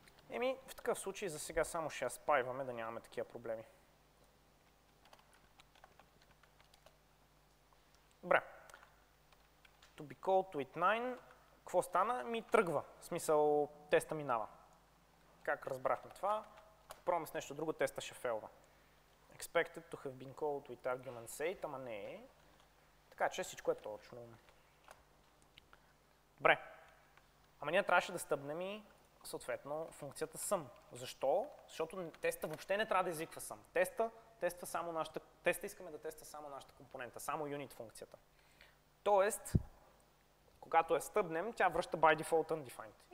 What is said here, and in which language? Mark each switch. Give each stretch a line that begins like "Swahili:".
Bulgarian: Еми, в такъв случай за сега само ще я спайваме, да нямаме такива проблеми. Добре.
English: To be called with 9.
Bulgarian: Какво стана? Ми тръгва. В смисъл, теста минава. Как разбрахме това? Пробваме с нещо друго, теста ще фейлва.
English: Expected to have been called with argument 8,
Bulgarian: ама не е. Така че всичко е точно. Добре. Ама ние трябваше да стъпнем и съответно функцията sum. Защо? Защото теста въобще не трябва да извиква sum. Теста искаме да теста само нашата компонента, само unit функцията. Тоест, когато я стъпнем, тя връща by default undefined.